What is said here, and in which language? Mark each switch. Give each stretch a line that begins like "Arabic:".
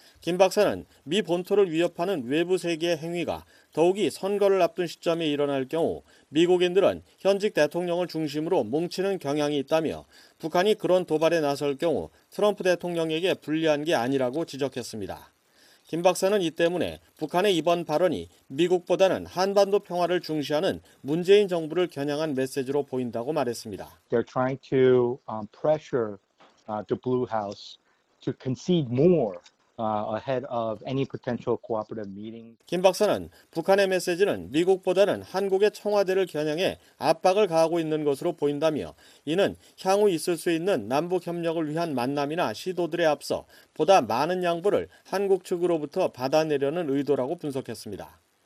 Korean: 김 박사는 미 본토를 위협하는 외부 세계의 행위가 더욱이 선거를 앞둔 시점에 일어날 경우 미국인들은 현직 대통령을 중심으로 뭉치는 경향이 있다며 북한이 그런 도발에 나설 경우 트럼프 대통령에게 불리한 게 아니라고 지적했습니다. 김 박사는 이 때문에 북한의 이번 발언이 미국보다는 한반도 평화를 중시하는 문재인 정부를 겨냥한 메시지로 보인다고 말했습니다.
English: They're trying to pressure the Blue House to concede more. Ahead of any potential cooperative meeting.
Korean: 김 박사는 북한의 메시지는 미국보다는 한국의 청와대를 겨냥해 압박을 가하고 있는 것으로 보인다며 이는 향후 있을 수 있는 남북협력을 위한 만남이나 시도들에 앞서 보다 많은 양보를 한국 측으로부터 받아내려는 의도라고 분석했습니다.